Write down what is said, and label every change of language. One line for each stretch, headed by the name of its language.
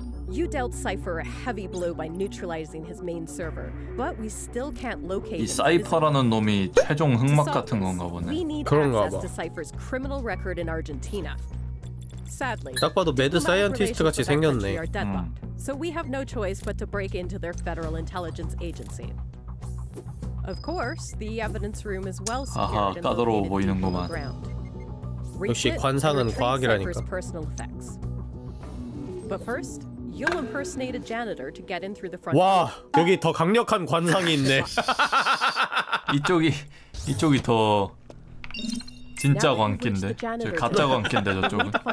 English: You dealt Cypher a heavy blow by neutralizing his main server, but we still can't locate him.
Korean: 이 사이퍼라는 놈이 최종 흑막 같은 건가 보네. 그런가 봐.
English: Cypher's criminal record in Argentina. Sadly,
Korean: 딱 봐도 매드 사이언티스트 같이 생겼네.
English: So we have no choice but to break into their federal intelligence agency. Of course, the evidence room is well secured.
Korean: 아하, 까다로워 보이는구만. 역시 관상은 과학이라니까.
English: Personal effects. But first, you'll impersonate a janitor to get in through the front.
Korean: 와, 여기 더 강력한 관상이 있네. 이쪽이 더 진짜 광기인데. 저 가짜 광기인데 저쪽은.